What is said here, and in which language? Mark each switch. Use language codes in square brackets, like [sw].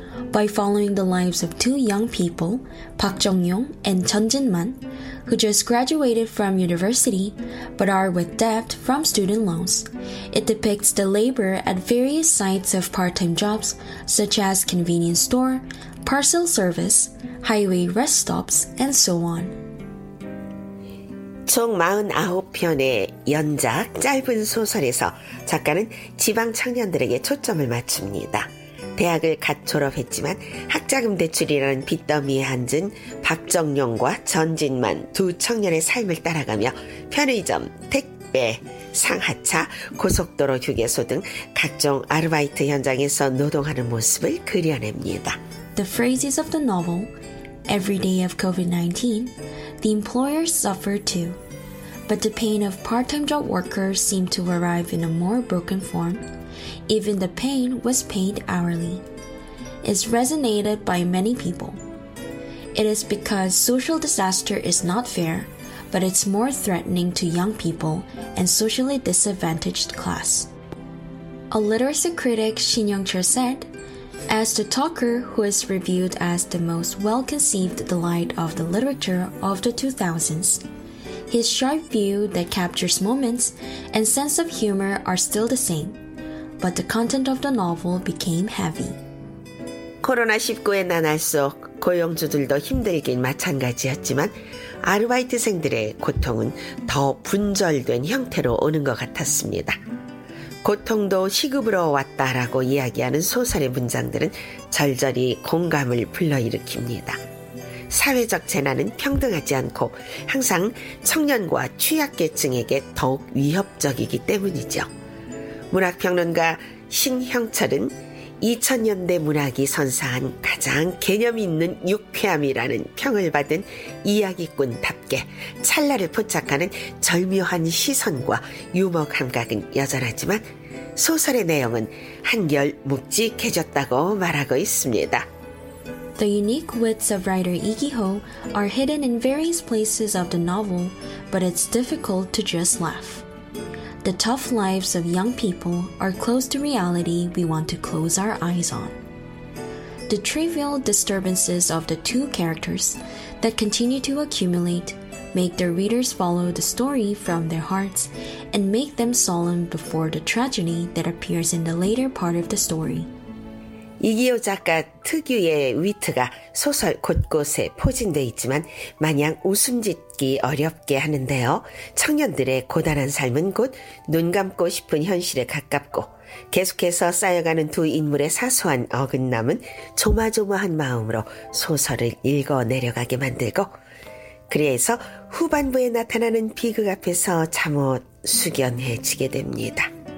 [en] By following the lives of two young people, Park Jong-yong and Chun Jin-man, who just graduated from university but are with debt from student loans, it depicts the labor at various sites of part-time jobs such as convenience store, parcel service, highway rest stops, and so on. [ko] 총 49편의 연작 짧은 소설에서 작가는 지방 청년들에게 초점을 맞춥니다. 대학을 갓 졸업했지만 학자금 대출이라는 빚더미에 앉은 박정용과 전진만 두 청년의 삶을 따라가며 편의점, 택배, 상하차, 고속도로 휴게소 등 각종 아르바이트 현장에서 노동하는 모습을 그려냅니다. [en] The phrases of the novel, every day of COVID-19, the employers suffer too. But the pain of part-time job workers seemed to arrive in a more broken form. Even the pain was paid hourly. It's resonated by many people. It is because social disaster is not fair, but it's more threatening to young people and socially disadvantaged class. A literacy critic, Shin Young-chul, said, As the talker who is reviewed as the most well-conceived delight of the literature of the 2000s, his sharp view that captures moments and sense of humor are still the same. But the content of the novel became heavy. [ko] 코로나19의 나날 속 고용주들도 힘들긴 마찬가지였지만 아르바이트생들의 고통은 더 분절된 형태로 오는 것 같았습니다. 고통도 시급으로 왔다라고 이야기하는 소설의 문장들은 절절히 공감을 불러일으킵니다. 사회적 재난은 평등하지 않고 항상 청년과 취약계층에게 더욱 위협적이기 때문이죠. 문학평론가 신형철은 2000년대 문학이 선사한 가장 개념 있는 유쾌함이라는 평을 받은 이야기꾼답게 찰나를 포착하는 절묘한 시선과 유머 감각은 여전하지만 소설의 내용은 한결 묵직해졌다고 말하고 있습니다. [en] The unique wits of writer Lee Ki-ho are hidden in various places of the novel, but it's difficult to just laugh. The tough lives of young people are close to reality we want to close our eyes on. The trivial disturbances of the two characters that continue to accumulate make their readers follow the story from their hearts and make them solemn before the tragedy that appears in the later part of the story. [ko] 이기호 작가 특유의 위트가 소설 곳곳에 포진되어 있지만 마냥 웃음 짓기 어렵게 하는데요. 청년들의 고단한 삶은 곧 눈 감고 싶은 현실에 가깝고 계속해서 쌓여가는 두 인물의 사소한 어긋남은 조마조마한 마음으로 소설을 읽어내려가게 만들고 그래서 후반부에 나타나는 비극 앞에서 잠옷 숙연해지게 됩니다.